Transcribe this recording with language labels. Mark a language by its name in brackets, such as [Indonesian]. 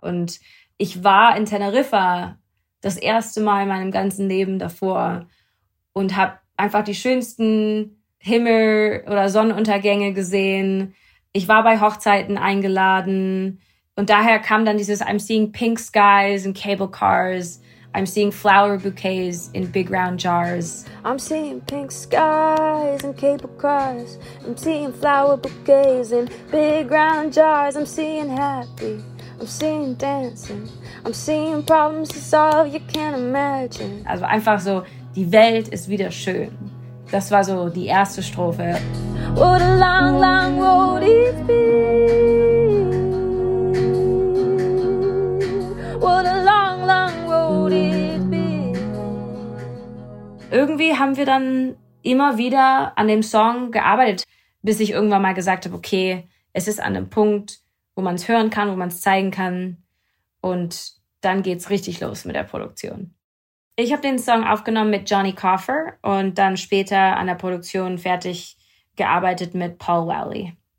[German] Und ich war in Teneriffa das erste Mal in meinem ganzen Leben davor und habe einfach die schönsten Himmel oder Sonnenuntergänge gesehen. Ich war bei Hochzeiten eingeladen. Und daher kam dann dieses [English] I'm seeing pink skies and cable cars. I'm seeing flower bouquets in big round jars. I'm seeing pink skies and cable cars. I'm seeing flower bouquets in big round jars. I'm seeing happy. I'm seeing dancing. I'm seeing problems to solve you can't imagine. [German] Also einfach so, die Welt ist wieder schön. Das war so die erste Strophe. [English] What a long, long road it's been. What a long, long road it's been. [German] Irgendwie haben wir dann immer wieder an dem Song gearbeitet, bis ich irgendwann mal gesagt habe, okay, es ist an einem Punkt, wo man es hören kann, wo man es zeigen kann. Und dann geht's richtig los mit der Produktion. Ich habe den Song aufgenommen mit Johnny Coffer und dann später an der Produktion fertig gearbeitet mit Paul Wally.